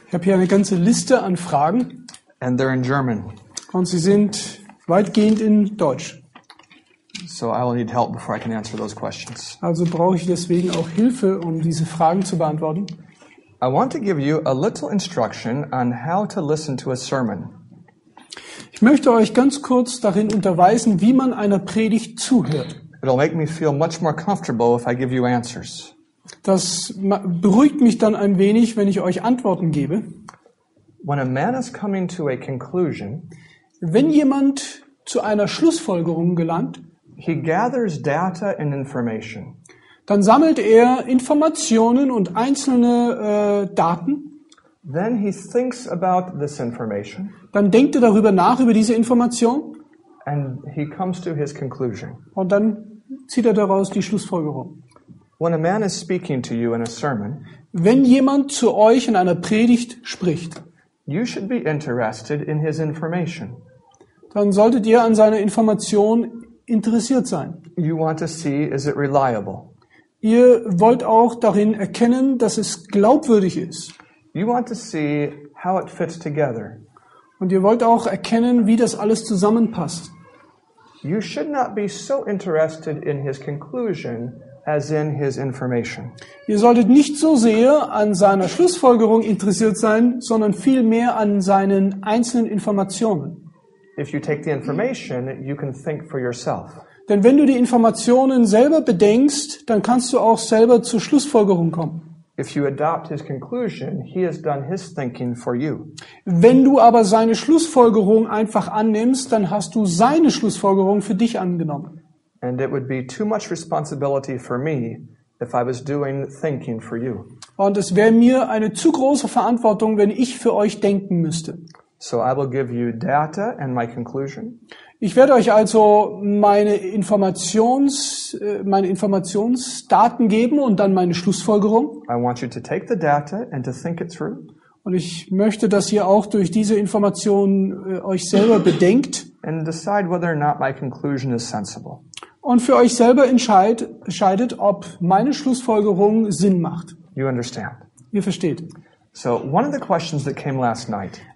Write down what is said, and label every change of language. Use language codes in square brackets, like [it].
[de] Ich habe hier eine ganze Liste an Fragen. [en] And they're in German. [de] Und sie sind weitgehend in Deutsch. [en] So I will need help before I can answer those questions. [de] Also brauche ich deswegen auch Hilfe, um diese Fragen zu beantworten. [en] I want to give you a little instruction on how to listen to a sermon. [de] Ich möchte euch ganz kurz darin unterweisen, wie man einer Predigt zuhört. [en] It'll make me feel much more comfortable if I give you answers. [de] Das beruhigt mich dann ein wenig, wenn ich euch Antworten gebe. [en] When a man is coming to a conclusion, [de] wenn jemand zu einer Schlussfolgerung gelangt, [en] he gathers data and information. [de] Dann sammelt er Informationen und einzelne Daten. [en] Then he thinks about this information. [de] Dann denkt er darüber nach, über diese Information. [en] And he comes to his conclusion. [de] Und dann zieht er daraus die Schlussfolgerung. [en] When a man is speaking to you in a sermon, [de] wenn jemand zu euch in einer Predigt spricht, [en] you should be interested in his information. [de] Dann solltet ihr an seiner Information interessiert sein. [en] You want to see, is it reliable? [de] Ihr wollt auch darin erkennen, dass es glaubwürdig ist. [en] You want to see how it fits together. [de] Und ihr wollt auch erkennen, wie das alles zusammenpasst. [en] You should not be so interested in his conclusion as in his information. [de] Ihr solltet nicht so sehr an seiner Schlussfolgerung interessiert sein, sondern vielmehr an seinen einzelnen Informationen. [en] If you take the information, you can think for yourself. [de] Denn wenn du die Informationen selber bedenkst, dann kannst du auch selber zur Schlussfolgerung kommen. [en] If you adopt his conclusion, he has done his thinking for you. [de] Wenn du aber seine Schlussfolgerung einfach annimmst, dann hast du seine Schlussfolgerung für dich angenommen. [en] And it would be too much responsibility for me if I was doing thinking for you. [de] Und es wäre mir eine zu große Verantwortung, wenn ich für euch denken müsste. [en] So I will give you data and my conclusion. [de] Ich werde euch also meine Informationsdaten geben und dann meine Schlussfolgerung. [en] I want you to take the data and to think it through. [de] Und ich möchte, dass ihr auch durch diese Information euch selber bedenkt. [en] And decide whether or not my conclusion is sensible. [de] Und für euch selber entscheidet, ob meine Schlussfolgerung Sinn macht. [en] You understand. [de] Ihr versteht. [en] So one of the questions that came last night.